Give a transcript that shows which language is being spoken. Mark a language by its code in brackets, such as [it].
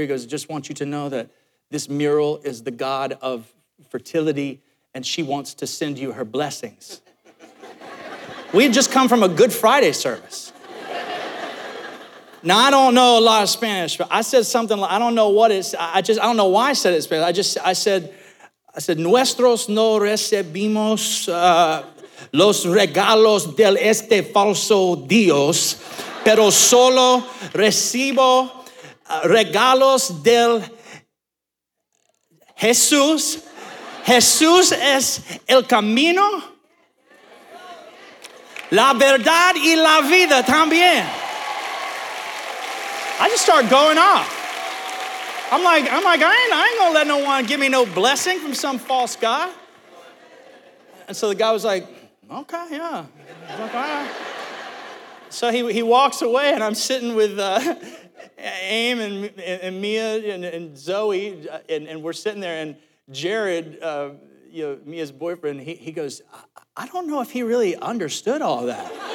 [en] He goes, just want you to know that this mural is the god of fertility, and she wants to send you her blessings. We had just come from a Good Friday service. Now, I don't know a lot of Spanish, but I said something like, I don't know why I said it in Spanish. [es] I said, nuestros no recibimos los regalos del este falso Dios, pero solo recibo regalos del Jesús. Jesús es el camino, la verdad y la vida también. [en] I just start going off. I'm like, I ain't gonna let no one give me no blessing from some false guy. And so the guy was like, okay, yeah. He's like, all right. So he walks away, and I'm sitting with Aim and Mia and Zoe, and we're sitting there, and Jared, you know, Mia's boyfriend, he goes, I don't know if he really understood all that.